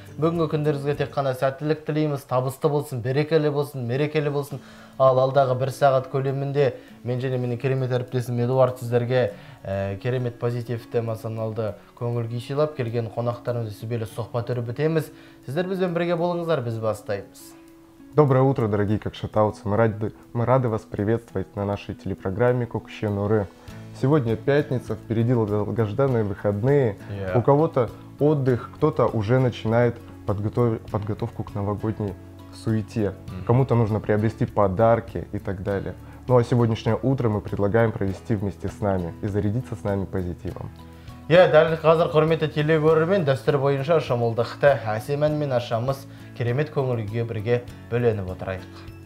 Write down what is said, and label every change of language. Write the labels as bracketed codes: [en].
[kk] Бүгінгі күндеріңізге тек қана сәттілік тілейміз. Табысты болсын, берекелі болсын, мерекелі болсын. Ал алдағы бір сағат көлемінде мен және менің керемет әріптесім Эдуард сіздерге керемет позитивті эмоционалды көңіл күй сыйлап келген қонақтарымызды сүбелі сұхбат өріп бітеміз. Сіздер бізбен бірге болыңыздар, біз бастаймыз. [ru] Доброе утро, дорогие кокшетауцы! Мы рады вас приветствовать на нашей телепрограмме «Кокше Нуры». Сегодня пятница, впереди долгожданные выходные. [en] Yeah. [ru] У кого-то отдых, кто-то уже начинает подготовку к новогодней суете. Mm-hmm. Кому-то нужно приобрести подарки и так далее. Ну а сегодняшнее утро мы предлагаем провести вместе с нами и зарядиться с нами позитивом. [kk] Иә, дәл қазір құрметті телекөрермен дәстүр бойынша шымылдықты әсем әнмен ашамыз, керемет көңіл күйге бірге бөленіп отырайық.